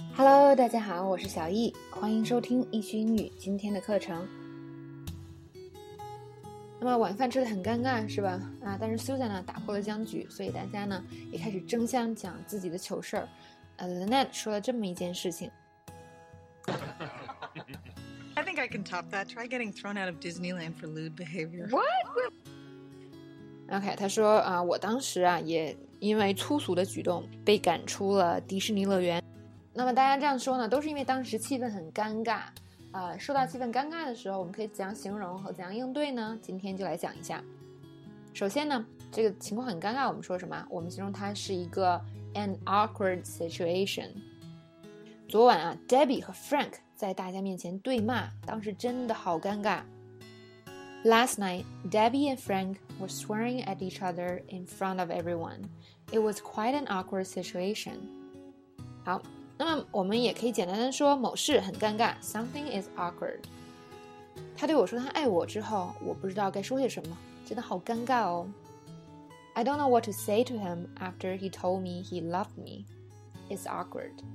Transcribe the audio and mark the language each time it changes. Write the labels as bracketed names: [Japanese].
[Chinese] Hello， 大家好，我是小易，欢迎收听易趣英语今天的课程。那么晚饭吃得很尴尬是吧？啊，但是 Susan 呢打破了僵局，所以大家呢也开始争相讲自己的糗事儿。 Lynette 说了这么一件事情。 [English] I think I can top that. Try getting thrown out of Disneyland for lewd behavior. What? [Chinese] OK， 他说啊，我当时啊也因为粗俗的举动被赶出了迪士尼乐园。那么大家这样说呢，都是因为当时气氛很尴尬。说到气氛尴尬的时候，我们可以怎样形容和怎样应对呢？今天就来讲一下。首先呢，这个情况很尴尬，我们说什么？我们形容它是一个 [English] an awkward situation。 [Chinese] 昨晚啊 ，Debbie 和 Frank 在大家面前对骂，当时真的好尴尬。 [English] Last night, Debbie and Frank were swearing at each other in front of everyone. It was quite an awkward situation. [Chinese] 好。那么我们也可以简单的说某事很尴尬 [English] Something is awkward [Chinese] 他对我说他爱我之后我不知道该说些什么真的好尴尬哦 [English] I don't know what to say to him after he told me he loved me It's awkward